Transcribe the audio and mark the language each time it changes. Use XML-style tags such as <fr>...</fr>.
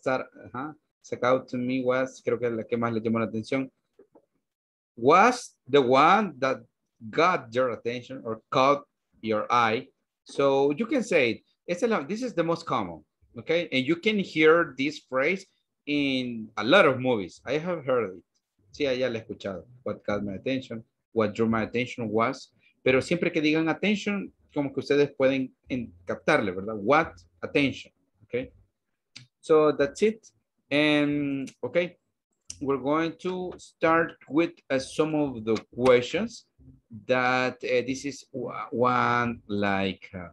<es>Creo que es la que más le llamó la atención.</es> <en>Was the one that got your attention or caught your eye. So you can say it. This is the most common. Okay? And you can hear this phrase in a lot of movies. I have heard it.</en> <es>Sí, ya la he escuchado.</es> <en>What got my attention. What drew my attention was...</en> <es>Pero siempre que digan attention, como que ustedes pueden captarle, ¿verdad?</es> <en>What attention, okay? So that's it. And, okay, we're going to start with some of the questions that this is one like...</en>